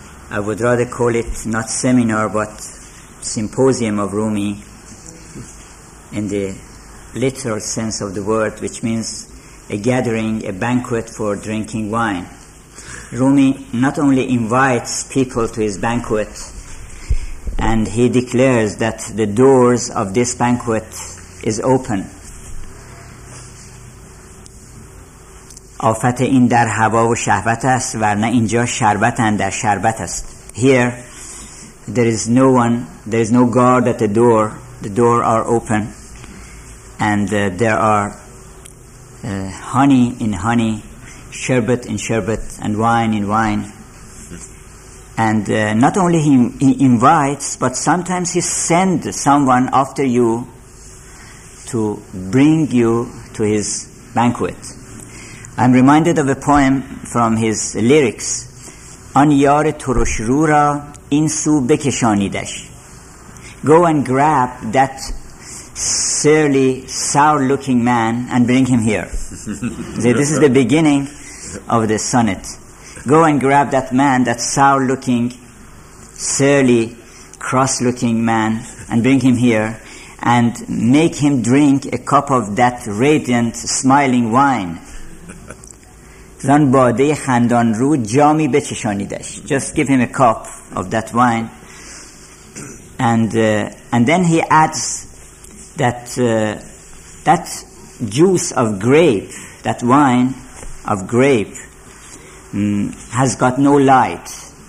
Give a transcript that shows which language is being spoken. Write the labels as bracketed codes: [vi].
[en] I would rather call it not seminar but symposium of Rumi in the literal sense of the word, which means a gathering, a banquet for drinking wine. Rumi not only invites people to his banquet, and he declares that the doors of this banquet is open. [fa] آفت این در هوا و شهوت است ورنه اینجا شربت اندر شربت است. [en] Here there is no one, there is no guard at the door are open, and there are honey in honey, sherbet in sherbet, and wine in wine. And not only he invites, but sometimes he sends someone after you to bring you to his banquet. I'm reminded of a poem from his lyrics. [fa] آن یار ترش رو را این سو بکشانیدش. [en] Go and grab that surly, sour-looking man and bring him here. So this is the beginning of the sonnet. Go and grab that man, that sour-looking, surly, cross-looking man, and bring him here, and make him drink a cup of that radiant, smiling wine. [fa] زن باده خندان رو جامی بچشانیدش. [en] Just give him a cup of that wine. And then he adds that that juice of grape, that wine of grape, has got no light.